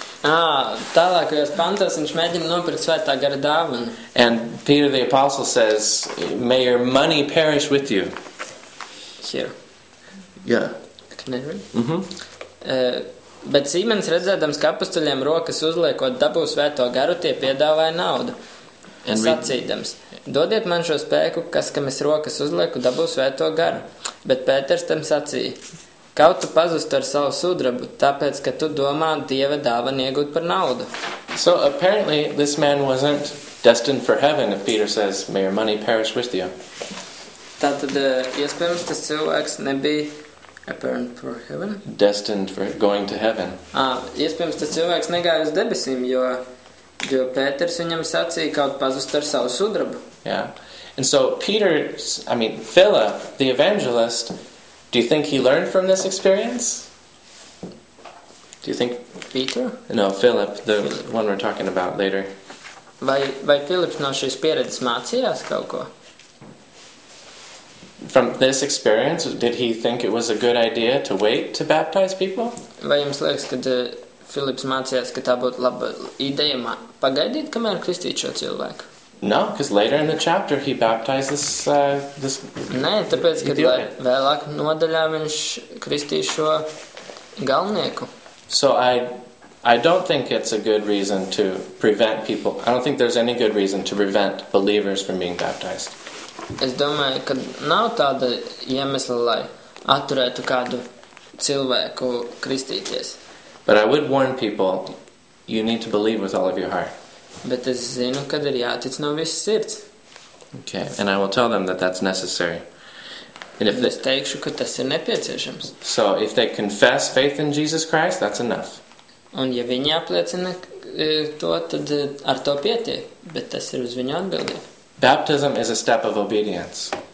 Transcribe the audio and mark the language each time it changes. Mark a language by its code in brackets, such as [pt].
[lv] Tālākajos pantos viņš mēģina nopirkt svētā gara dāvanu. [en] And Peter the Apostle says, may your money perish with you. Here. Yeah. Can I read? Mm-hmm. [lv] Bet Sīmenis redzēdams, ka apustuļiem rokas uzliekot dabū svēto garu, tie piedāvāja naudu. And sacīdams, dodiet man šo spēku, kas, kam es rokas uzlieku, dabū svēto garu. Bet Pēters tam sacīja, kaut tu pazustu ar savu sudrabu, tāpēc, ka tu domā Dieva dāvanu iegūt par naudu. [en] So, apparently, this man wasn't destined for heaven, if Peter says, may your money perish with you. [lv] Tātad, iespējams, tas cilvēks nebija [en] apparent for heaven? Destined for going to heaven. [lv] Iespējams, tas cilvēks negāja uz debesīm, jo Pēters viņam sacīja, kaut pazustu ar savu sudrabu. [en] Yeah. And so, Peter, I mean, Philip, the evangelist, do you think he learned from this experience? Do you think Peter? No, Philip, the one we're talking about later. [lv] Vai Philips no šīs pieredzes mācījās kaut ko? [en] From this experience, did he think it was a good idea to wait to baptize people? [lv] Vai jums liekas, ka Philips mācījās, ka tā būtu laba ideja pagaidīt, kamēr kristīt šo cilvēku? [en] No, because later in the chapter he baptizes this. [lv] Nē, tāpēc, kad vēlāk nodaļā viņš kristīs šo galvnieku. [en] So I don't think it's a good reason to prevent people. I don't think there's any good reason to prevent believers from being baptized. [lv] Es domāju, ka nav tāda iemesla, lai atturētu kādu cilvēku kristīties. [en] But I would warn people, you need to believe with all of your heart. [lv] Bet es zinu, kad ir jātic no visas sirds. [en] Okay, and I will tell them that that's necessary. And if [lv] es teikšu, ka tas ir nepieciešams. [en] So, if they confess faith in Jesus Christ, that's enough. [lv] Un ja viņi apliecina to, tad ar to pietiek, bet tas ir uz viņu atbildība. [en] Baptism is a step of obedience.